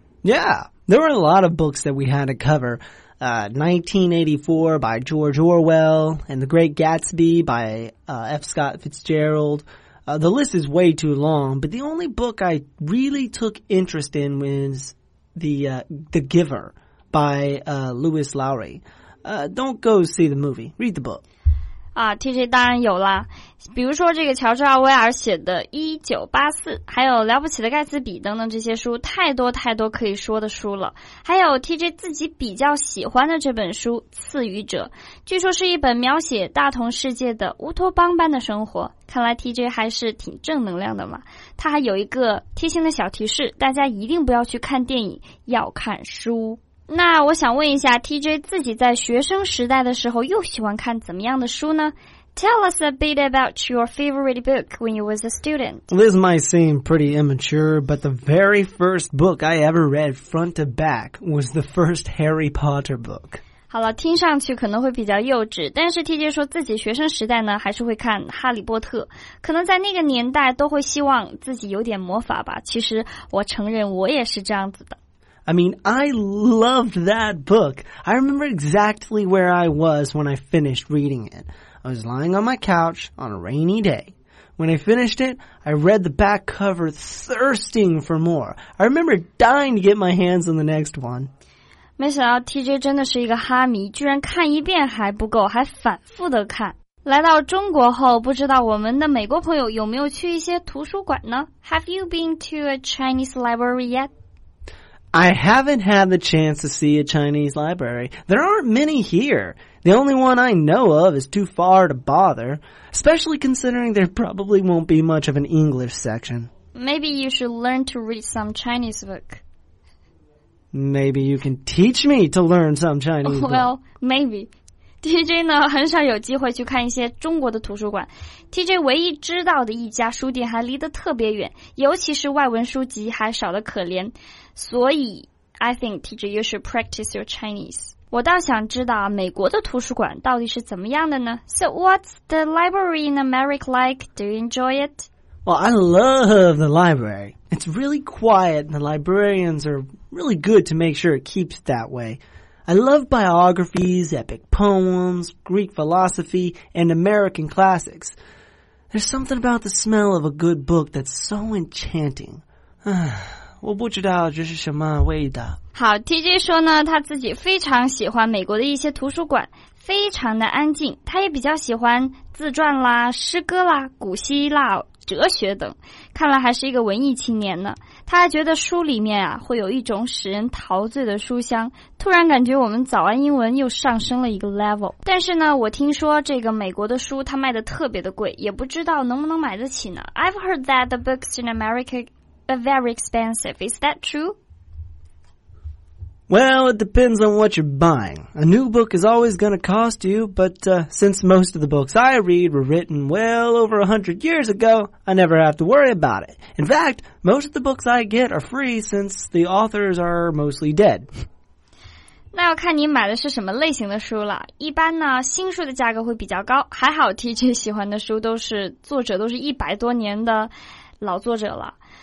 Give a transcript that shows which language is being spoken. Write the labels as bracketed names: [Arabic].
[English] Yeah, there were a lot of books that we had to cover. 1984 by George Orwell and The Great Gatsby by F. Scott Fitzgeraldthe list is way too long, but the only book I really took interest in was The Giver by Lewis Lowry. Don't go see the movie. Read the book. [Chinese] TJ 当然有啦。比如说这个乔治奥威尔写的1984，还有了不起的盖茨比等等，这些书太多太多可以说的书了。还有 TJ 自己比较喜欢的这本书赐予者，据说是一本描写大同世界的乌托邦般的生活。看来 TJ 还是挺正能量的嘛。他还有一个贴心的小提示，大家一定不要去看电影，要看书。那我想问一下 TJ 自己在学生时代的时候又喜欢看怎么样的书呢？ [English] Tell us a bit about your favorite book when you was a student. This might seem pretty immature, but the very first book I ever read front to back was the first Harry Potter book. [Chinese] 好了，听上去可能会比较幼稚，但是 TJ 说自己学生时代呢还是会看哈利波特，可能在那个年代都会希望自己有点魔法吧。其实我承认我也是这样子的。 [English] I mean, I loved that book. I remember exactly where I was when I finished reading it. I was lying on my couch on a rainy day. When I finished it, I read the back cover thirsting for more. I remember dying to get my hands on the next one. [Chinese] 没想到 TJ 真的是一个哈迷，居然看一遍还不够，还反复的看。来到中国后，不知道我们的美国朋友有没有去一些图书馆呢？ [English] Have you been to a Chinese library yet? I haven't had the chance to see a Chinese library. There aren't many here. The only one I know of is too far to bother, especially considering there probably won't be much of an English section. Maybe you should learn to read some Chinese book. Maybe you can teach me to learn some Chinese book. Well, maybe. [Chinese] TJ 呢很少有机会去看一些中国的图书馆。 TJ 唯一知道的一家书店还离得特别远，尤其是外文书籍还少得可怜。所以 [English] I think TJ you should practice your Chinese. [Chinese] 我倒想知道美国的图书馆到底是怎么样的呢？ [English] So what's the library in America like? Do you enjoy it? Well, I love the library. It's really quiet and the librarians are really good to make sure it keeps that way. I love biographies, epic poems, Greek philosophy, and American classics. There's something about the smell of a good book that's so enchanting. [Chinese] 我不知道这是什么味道。好 ,TJ 说呢他自己非常喜欢美国的一些图书馆非常的安静他也比较喜欢自传啦诗歌啦古希腊哲学等看来还是一个文艺青年呢他还觉得书里面啊会有一种使人陶醉的书香突然感觉我们早安英文又上升了一个 level。但是呢我听说这个美国的书它卖得特别的贵也不知道能不能买得起呢 ? [English] I've heard that the books in America are very expensive, is that true? Well, it depends on what you're buying. A new book is always going to cost you, but since most of the books I read were written well over 100 years ago, I never have to worry about it. In fact, most of the books I get are free since the authors are mostly dead. [Chinese] 那要看你买的是什么类型的书了。一般呢，新书的价格会比较高。还好 TJ 喜欢的书都是作者都是一百多年的老作者了。